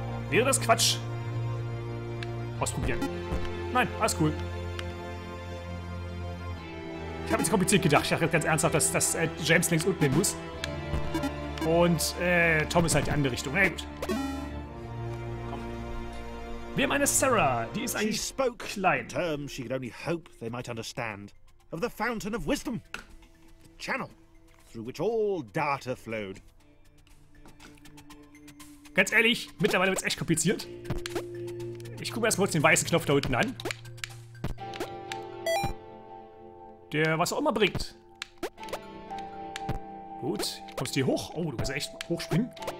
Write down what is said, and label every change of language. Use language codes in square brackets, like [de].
[de] Wäre das Quatsch? Ausprobieren. Nein, alles cool. Ich habe jetzt kompliziert gedacht. Ich dachte ganz ernsthaft, dass James links unten hin muss. Und Thomas halt die andere Richtung. Na gut. Wir haben eine Sarah. Die ist eigentlich klein. [en] She could only hope they might understand. Of the Fountain of Wisdom, the channel through which all data flowed. [de] Ganz ehrlich, mittlerweile wird's echt kompliziert. Ich gucke mir erstmal kurz den weißen Knopf da unten an. Der was auch immer bringt. Gut, kommst du hier hoch? Oh, du kannst echt hochspringen.